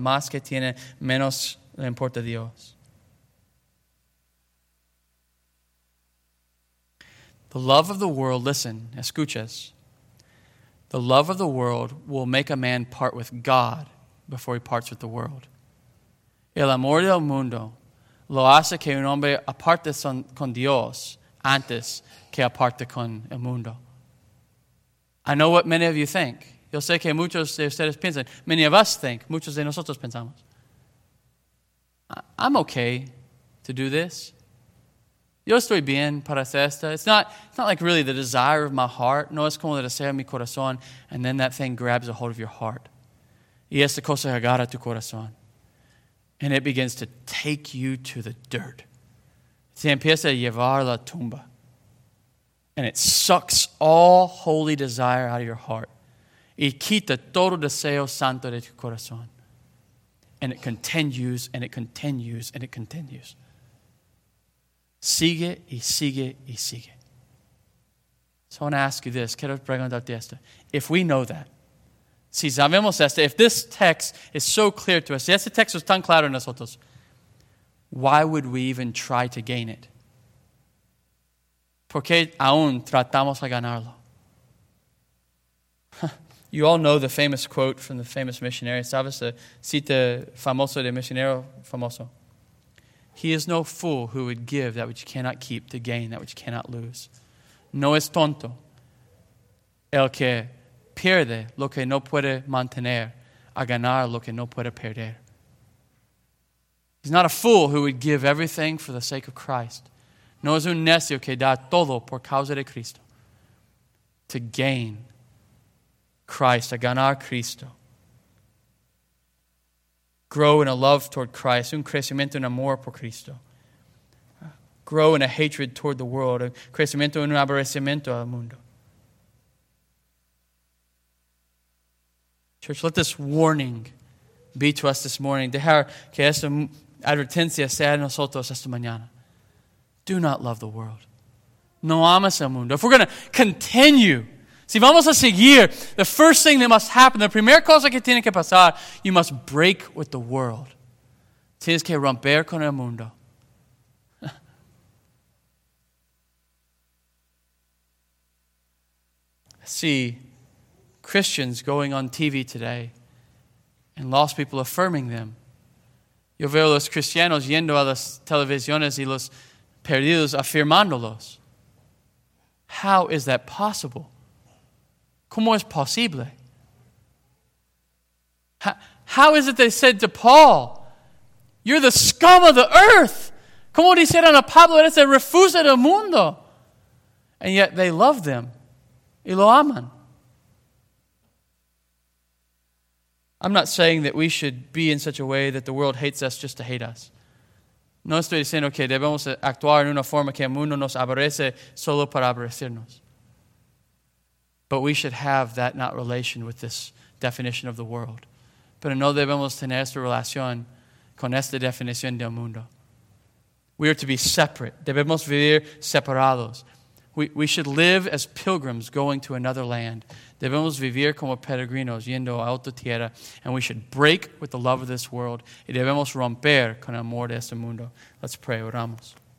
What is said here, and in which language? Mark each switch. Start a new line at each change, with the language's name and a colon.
Spanish: Más que tiene, menos le importa Dios.
English: The love of the world, listen,
Spanish: escuchas.
English: The love of the world will make a man part with God before he parts with the world.
Spanish: El amor del mundo lo hace que un hombre aparte con Dios antes que aparte con el mundo.
English: I know what many of you think.
Spanish: Yo sé que muchos de ustedes piensan.
English: Many of us think.
Spanish: Muchos de nosotros pensamos.
English: I'm okay to do this.
Spanish: Yo estoy bien para hacer esto.
English: It's not like really the desire of my heart.
Spanish: No es como el deseo de mi corazón.
English: And then that thing grabs a hold of your heart.
Spanish: Y esta cosa agarra tu corazón.
English: And it begins to take you to the dirt.
Spanish: Se empieza a llevar la tumba.
English: And it sucks all holy desire out of your heart.
Spanish: Y quita todo deseo santo de tu corazón.
English: And it continues, and it continues, and it continues.
Spanish: Sigue y sigue y sigue.
English: So I want to ask you this.
Spanish: Quiero preguntarte esto.
English: If we know that,
Spanish: si sabemos esto,
English: if this text is so clear to us,
Spanish: si este texto es tan claro en nosotros,
English: why would we even try to gain it?
Spanish: ¿Por qué aún tratamos a ganarlo?
English: You all know the famous quote from the famous missionary.
Spanish: ¿Sabes la cita famosa de misionero famoso?
English: He is no fool who would give that which cannot keep to gain that which cannot lose.
Spanish: No es tonto el que pierde lo que no puede mantener a ganar lo que no puede perder.
English: He's not a fool who would give everything for the sake of Christ.
Spanish: No es un necio que da todo por causa de Cristo
English: to gain Christ,
Spanish: a ganar Cristo.
English: Grow in a love toward Christ,
Spanish: un crecimiento en amor por Cristo.
English: Grow in a hatred toward the world,
Spanish: un crecimiento en un aborrecimiento al mundo.
English: Church, let this warning be to us this morning.
Spanish: Dejar que esta advertencia sea en nosotros esta mañana.
English: Do not love the world.
Spanish: No amas el mundo.
English: If we're going to continue,
Spanish: si vamos a seguir,
English: the first thing that must happen, the
Spanish: primera cosa que tiene que pasar,
English: you must break with the world.
Spanish: Tienes que romper con el mundo.
English: I see Christians going on TV today and lost people affirming them.
Spanish: Yo veo los cristianos yendo a las televisiones y los perdidos afirmándolos.
English: How is that possible?
Spanish: ¿Cómo es posible?
English: How is it they said to Paul, you're the scum of the earth.
Spanish: ¿Cómo dijeron a Pablo, eres el refuse del mundo?
English: And yet they love them.
Spanish: Y lo aman.
English: I'm not saying that we should be in such a way that the world hates us just to hate us.
Spanish: No estoy diciendo que debemos actuar en una forma que el mundo nos aborrece solo para aborrecernos.
English: But we should have that not relation with this definition of the world.
Spanish: Pero no debemos tener esta relación con esta definición del mundo.
English: We are to be separate.
Spanish: Debemos vivir separados.
English: We should live as pilgrims going to another land.
Spanish: Debemos vivir como peregrinos yendo a otra tierra.
English: And we should break with the love of this world.
Spanish: Y debemos romper con el amor de este mundo.
English: Let's pray.
Spanish: Oramos.